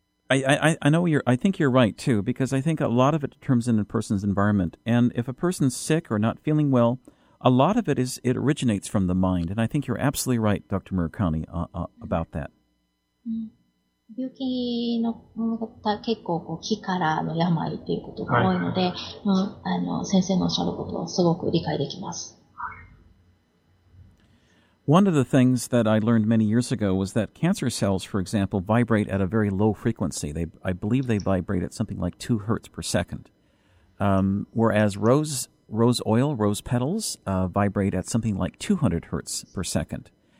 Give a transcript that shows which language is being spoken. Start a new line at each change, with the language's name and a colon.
English: I know I think you're right too, because I think a lot of it determines a person's environment. And if a person's sick or not feeling well, a lot of it originates from the mind. And I think you're absolutely right, Dr. Murakami, about that.
Japanese: 病気の結構こう気からの病っていうことが多いので、先生のおっしゃることをすごく理解できます。
English: One of the things that I learned many years ago was that cancer cells, for example, vibrate at a very low frequency. I believe they vibrate at something like 2 hertz per second. Whereas rose petals, vibrate at something like 200 hertz per second.